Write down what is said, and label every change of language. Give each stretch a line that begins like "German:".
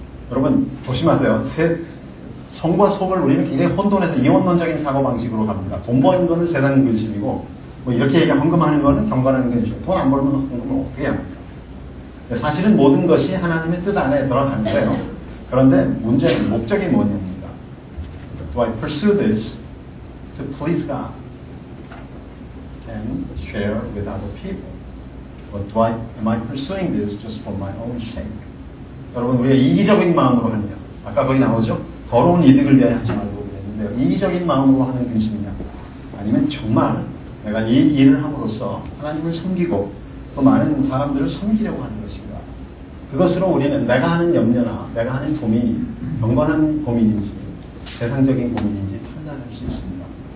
Korean: 여러분 조심하세요. 성과 속을 우리는 굉장히 혼돈해서 이원론적인 사고방식으로 갑니다. 돈 버는 거는 세상 근심이고 뭐 이렇게 얘기하면 헌금하는 거는 경건한 근심이고 돈 안 벌면 헌금을 어떻게 합니까? 사실은 모든 것이 하나님의 뜻 안에 들어간대요. 그런데 문제는 목적이 뭐냐입니다.
English: Do I pursue this to please God and share with other people? Or am I pursuing this just for my own sake?
Korean: 여러분 우리가 이기적인 마음으로 하느냐 아까 거기 나오죠? 더러운 이득을 위해 하지 말고 그랬는데요. 이기적인 마음으로 하는 근심이냐 아니면 정말 내가 이 일을 함으로써 하나님을 섬기고 또 많은 사람들을 섬기려고 하는 것인가. 그것으로 우리는 내가 하는 염려나 내가 하는 고민이 경건한 고민인지 세상적인 고민인지 판단할 수 있습니다.